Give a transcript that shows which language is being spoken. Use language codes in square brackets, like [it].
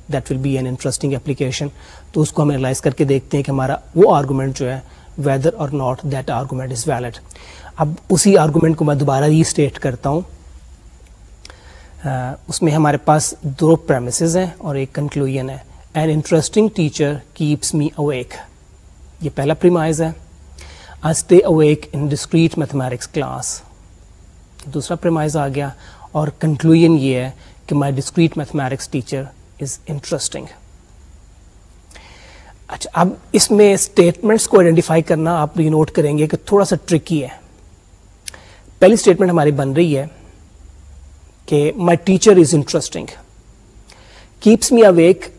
[en] That will be an interesting application. [ur] تو اس کو ہم انالائز کر کے دیکھتے ہیں کہ ہمارا وہ آرگومنٹ جو ہے [en] whether or not that argument is valid. [ur] اب اسی آرگومنٹ کو میں دوبارہ ری اسٹیٹ کرتا ہوں. اس میں ہمارے پاس دو پریمسز ہیں اور ایک کنکلوژن ہے. [en] An interesting teacher keeps me awake. [ur] یہ پہلا پریمائز ہے. [en] I stay awake in discrete mathematics class. [ur] دوسرا پریمائز آ گیا, اور کنکلوژن یہ ہے کہ [en] My discrete mathematics teacher is interesting. [ur] اچھا, اب اس میں اسٹیٹمنٹس کو آئیڈینٹیفائی کرنا آپ یہ نوٹ کریں گے کہ تھوڑا سا ٹرکی ہے. پہلی اسٹیٹمنٹ ہماری بن رہی ہے کہ [en] My teacher is interesting, keeps me awake.